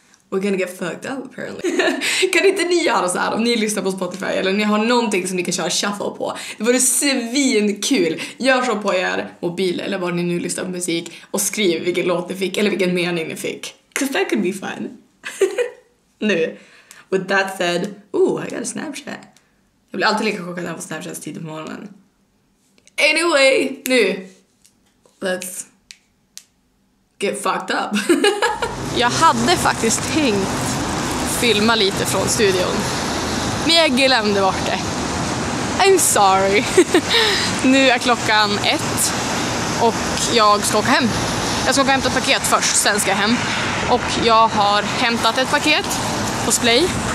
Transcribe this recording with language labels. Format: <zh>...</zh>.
<en>We're gonna get fucked up apparently.</en> <sv>Kan inte ni göra så här om ni lyssnar på Spotify eller ni har någonting som ni kan köra shuffle på? Det vore svinkul. Gör så på er mobil eller var ni nu lyssnar på musik och skriv vilken låt ni fick eller vilken mening ni fick.</sv> <en>Cause that could be fun. Nu, with that said, ooh, I got a Snapchat.</en> <sv>Jag blir alltid lika chockad när jag får Snapchats tid på morgonen.</sv> <en>Anyway, nu, let's get fucked up.</en> <sv>Jag hade faktiskt tänkt filma lite från studion, men jag glömde bort det.</sv> <en>I'm sorry.</en> <sv>Nu är klockan 1 och jag ska åka hem. Jag ska åka och hämta ett paket först, sen ska jag hem. Och jag har hämtat ett paket på Splay.</sv>